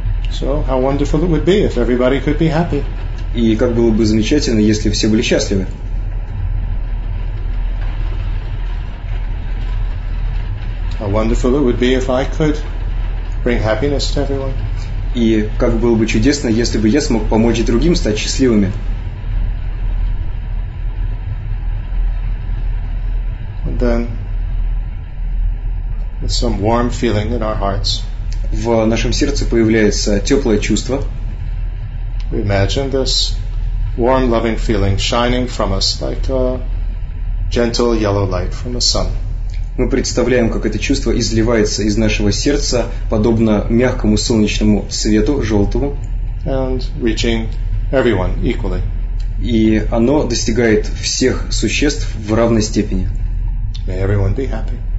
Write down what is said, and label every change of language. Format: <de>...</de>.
<en>So, how wonderful it would be if everybody could be happy.</en> <ru>И как было бы замечательно, если все были счастливы.</ru> <en>How wonderful it would be if I could bring happiness to everyone.</en> <ru>И как было бы чудесно, если бы я смог помочь другим стать счастливыми.</ru> <en>And then, with some warm feeling in our hearts,</en> <ru>в нашем сердце появляется теплое чувство.</ru> <en>We imagine this warm, loving feeling shining from us like a gentle yellow light from the sun.</en> <ru>Мы представляем, как это чувство изливается из нашего сердца, подобно мягкому солнечному свету, желтому.</ru> <en>And reaching everyone equally.</en> <ru>И оно достигает всех существ в равной степени.</ru> <en>May everyone be happy.</en>